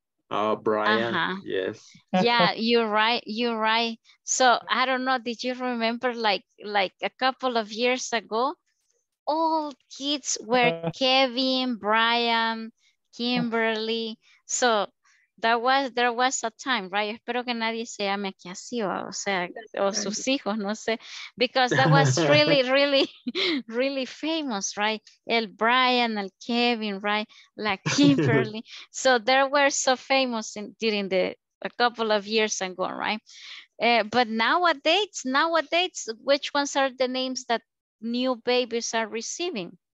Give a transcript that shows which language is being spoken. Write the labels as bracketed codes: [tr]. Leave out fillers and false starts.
[en] Oh, Brian, uh-huh. Yes. Yeah, you're right. So I don't know, did you remember like a couple of years ago, all kids were Kevin, Brian, Kimberly. So There was a time, right? [es] Espero que nadie se llame aquí así, o sea, o sus hijos, no sé. [en] Because that was really, really, really famous, right? [es] El Brian, el Kevin, [en] right? [es] La Kimberly. [en] So they were so famous during a couple of years ago, right? But nowadays, which ones are the names that new babies are receiving?